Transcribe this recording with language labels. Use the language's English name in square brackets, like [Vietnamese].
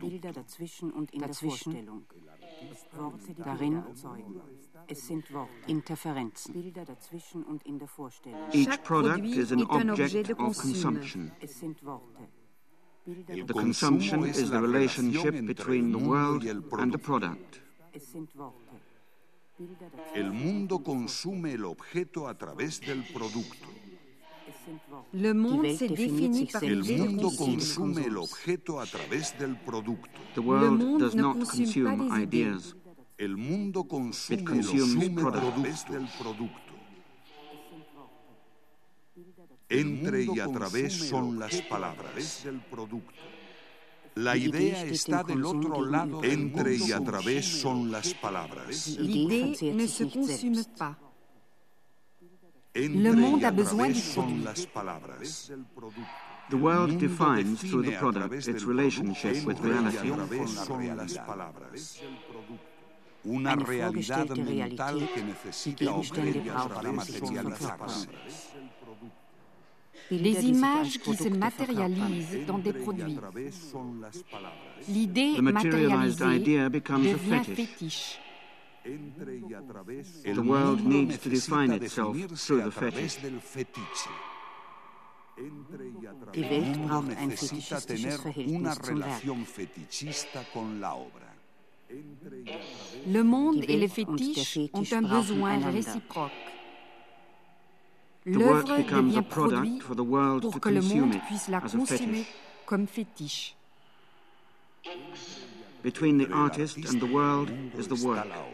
[German] Bilder dazwischen und in der Vorstellung. Worte, die darin erzeugen. Es sind Worte. Interferenzen. Bilder dazwischen und in der Vorstellung. [English] Each product is an object of consumption. [German] Es sind Worte. [English] The consumption is the relationship between the world and the product. [German] Es sind Worte. [Spanish] El mundo consume el objeto a través del producto. [French] Le monde se définit par [Spanish] el mundo consume el objeto a través del producto. [English] The world does not consume ideas. [Spanish] El mundo consume a través del producto. Entre y a través son las palabras. La idea está del otro lado. Entre y a través son las palabras. [French] L'idée ne se consume pas. Le monde a besoin [Spanish] son las palabras. [English] The world defines through the product its relationship with reality. [Spanish] Una realidad mental que necesita objetos para materializarse. [French] Les images qui se matérialisent dans des produits. L'idée matérialisée devient fétiche. [English] The world needs to define itself through the fetish. [German] Die Welt braucht ein fetischistisches Verhältnis zum Werk. [French] Le monde et les fétiches ont un besoin réciproque. L'œuvre devient produit pour que le monde puisse la consommer comme fétiche. [English] Between the artist and the world is the work.